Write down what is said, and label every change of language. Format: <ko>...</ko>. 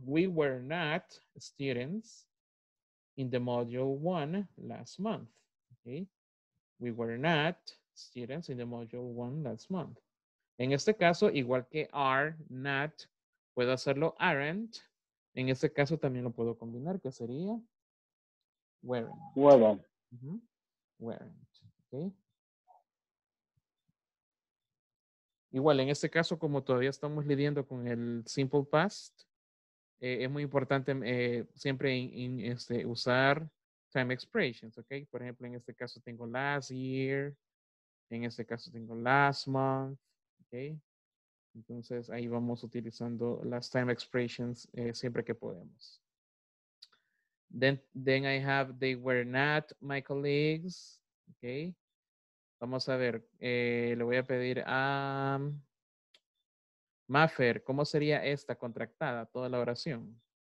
<en>We were not students in the module one last month, okay? We were not students in the module one last month.</en> <es>En este caso, igual que are, not, puedo hacerlo aren't. En este caso también lo puedo combinar, que sería weren't.</es> <en>Well, uh-huh. Weren't, okay?</en> <es>Igual, en este caso, como todavía estamos lidiando con el simple past, es muy importante siempre usar time expressions, ¿ok? Por ejemplo, en este caso tengo last year, en este caso tengo last month, ¿ok? Entonces, ahí vamos utilizando las time expressions siempre que podemos.</es> <en>Then I have, they were not my colleagues, ¿ok?</en> <es>Vamos a ver, le voy a pedir a... Maffer, ¿cómo sería esta contractada, toda la oración?</es>